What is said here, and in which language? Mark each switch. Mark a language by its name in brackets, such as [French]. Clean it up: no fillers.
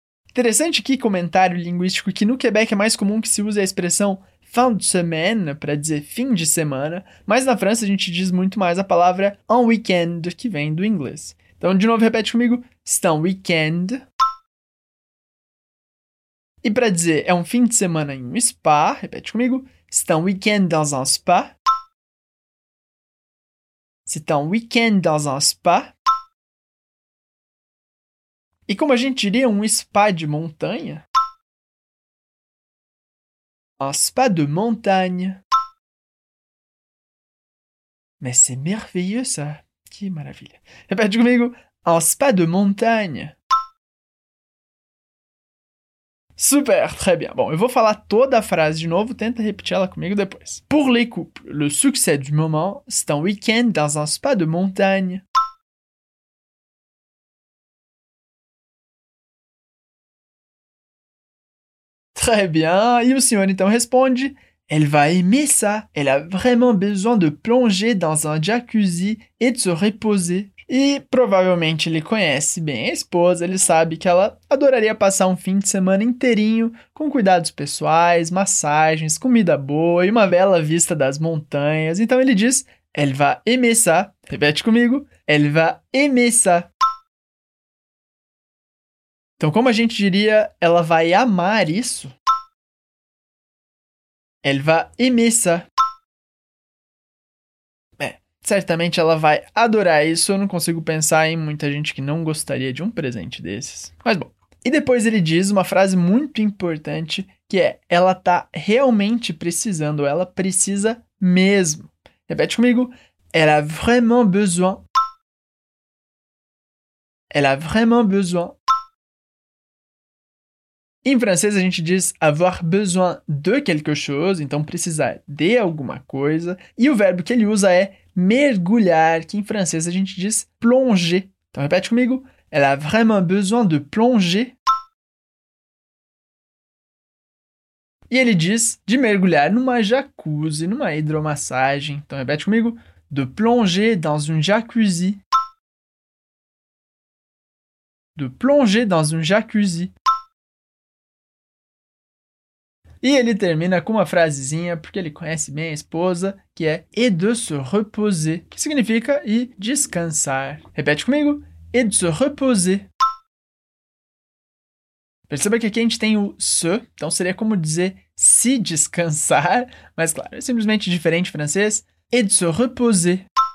[Portuguese] Interessante aqui comentário linguístico que no Quebec é mais comum que se use a expressão [French] fin de semaine, [Portuguese] para dizer fim de semana, mas na França a gente diz muito mais a palavra un weekend, que vem do inglês. Então, de novo, repete comigo, [French] c'est un weekend. [Portuguese] E para dizer é um fim de semana em um spa, repete comigo, [French] c'est un weekend dans un spa. C'est un weekend dans un spa. [Portuguese] E como a gente diria um spa de montanha? [French] Un spa de montagne. Mais c'est merveilleux, ça. [Portuguese] Que maravilha. Repete comigo. [French] Un spa de montagne. Super, très bien. [Portuguese] Bon, eu vou falar toda a frase de novo. Tenta repetir ela comigo depois. [French] Pour les couples, le succès du moment, c'est un week-end dans un spa de montagne. Très bien. [Portuguese] E o senhor então responde, [French] elle va aimer ça. Elle a vraiment besoin de plonger dans un jacuzzi et de se reposer. [Portuguese] E provavelmente ele conhece bem a esposa, ele sabe que ela adoraria passar um fim de semana inteirinho com cuidados pessoais, massagens, comida boa e uma bela vista das montanhas. Então ele diz, [French] elle va aimer ça. [Portuguese] Repete comigo, [French] elle va aimer ça. [Portuguese] Então, como a gente diria, ela vai amar isso? [French] Elle va aimer ça. [Portuguese] É, certamente ela vai adorar isso. Eu não consigo pensar em muita gente que não gostaria de um presente desses. Mas bom. E depois ele diz uma frase muito importante, que é, ela tá realmente precisando, ela precisa mesmo. Repete comigo. [French] Elle a vraiment besoin. Elle a vraiment besoin. [Portuguese] Em francês, a gente diz [French] avoir besoin de quelque chose, [Portuguese] então precisar de alguma coisa. E o verbo que ele usa é mergulhar, que em francês a gente diz plonger. Então, repete comigo. [French] Elle a vraiment besoin de plonger. [Portuguese] E ele diz de mergulhar numa jacuzzi, numa hidromassagem. Então, repete comigo. [French] De plonger dans une jacuzzi. De plonger dans une jacuzzi. [Portuguese] E ele termina com uma frasezinha, porque ele conhece bem a esposa, que é [French] e de se reposer, [Portuguese] que significa e descansar. Repete comigo, [French] e de se reposer. [Portuguese] Perceba que aqui a gente tem o se, então seria como dizer se descansar, mas claro, é simplesmente diferente francês, [French] et de se reposer.